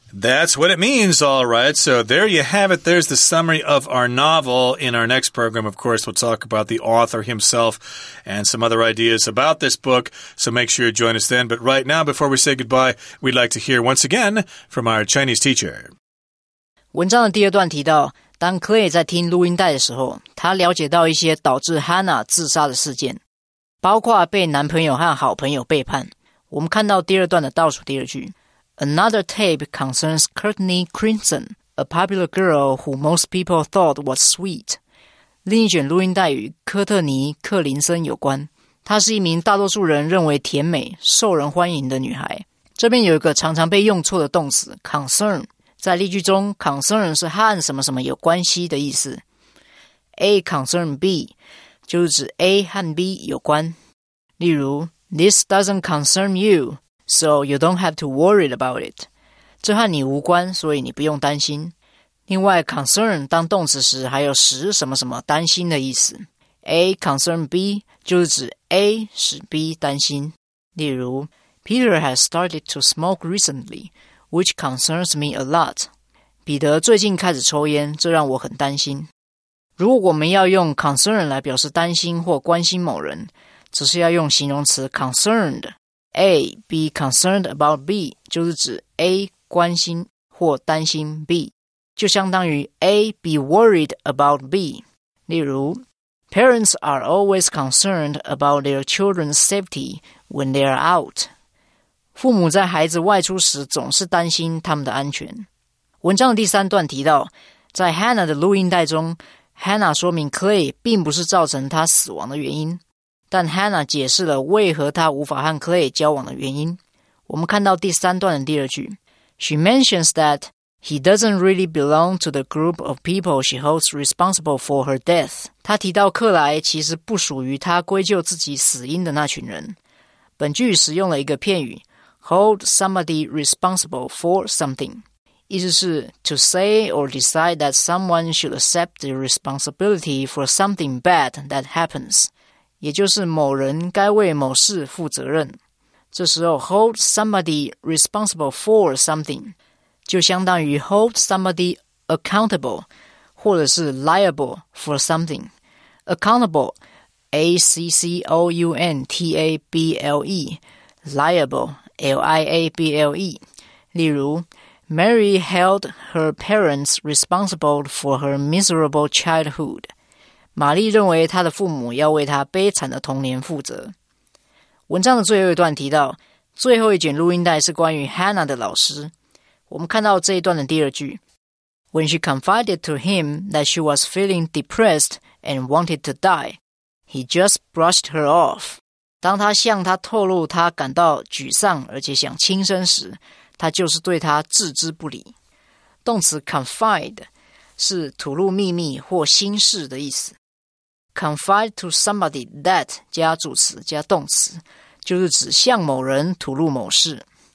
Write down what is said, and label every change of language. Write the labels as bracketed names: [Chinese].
[English] That's what it means, all right. So there you have it. There's the summary of our novel. In our next program, of course, we'll talk about the author himself and some other ideas about this book. So make sure you join us then. But right now, before we say goodbye, we'd like to hear once again from our Chinese teacher. [Chinese] 文章的第二段提到，当 Clay 在听录音带的时候，他了解到一些导致 Hannah 自杀的事件，包括被男朋友和好朋友背叛。我们看到第二段的倒数第二句。 [English] Another tape concerns Courtney Crimson, a popular girl who most people thought was sweet. [Chinese] 另一卷录音带与科特尼·克林森有关，她是一名大多数人认为甜美、受人欢迎的女孩。这边有一个常常被用错的动词 concern， 在例句中 ，concern 是和什么什么有关系的意思。 A concern B 就是指 A 和 B 有关。例如 [English] ，This doesn't concern you. So you don't have to worry about it. [Chinese] 这和你无关，所以你不用担心。另外 ,concern 当动词时还有使什么什么担心的意思。 A concern B 就是指 A 使 B 担心。例如 [English] ,Peter has started to smoke recently, which concerns me a lot. [Chinese] 彼得最近开始抽烟，这让我很担心。如果我们要用 concern 来表示担心或关心某人，只是要用形容词 concerned。 [English] A, be concerned about B, [Chinese] 就是指 [English] A, [Chinese] 关心或担心 [English] B, [Chinese] 就相当于 [English] A, be worried about B. [Chinese] 例如 [English] ,Parents are always concerned about their children's safety when they are out. [Chinese] 父母在孩子外出时总是担心他们的安全。文章的第三段提到，在 Hannah 的录音带中 ,Hannah 说明 Clay 并不是造成他死亡的原因。但 Hannah 解释了为何她无法和 Clay 交往的原因。我们看到第三段的第二句。 [English] She mentions that he doesn't really belong to the group of people she holds responsible for her death. [Chinese] 她提到克莱其实不属于她归咎自己死因的那群人。本句使用了一个片语 [English] ,hold somebody responsible for something, [Chinese] 意思是 [English] to say or decide that someone should accept the responsibility for something bad that happens. [Chinese] 也就是某人该为某事负责任。这时候 [English] hold somebody responsible for something [Chinese] 就相当于 [English] hold somebody accountable [Chinese] 或者是 [English] liable for something. Accountable A-C-C-O-U-N-T-A-B-L-E Liable L-I-A-B-L-E [Chinese] 例如 [English] Mary held her parents responsible for her miserable childhood. [Chinese] 玛丽认为她的父母要为她悲惨的童年负责。文章的最后一段提到，最后一卷录音带是关于 Hannah 的老师。我们看到这一段的第二句 [English] ：When she confided to him that she was feeling depressed and wanted to die, he just brushed her off. [Chinese] 当她向他透露她感到沮丧而且想轻生时，他就是对她置之不理。动词 confide。是吐露秘密或心事的意思。 [English] Confide to somebody that [Chinese] 加主词加动词，就是指向某人吐露某事。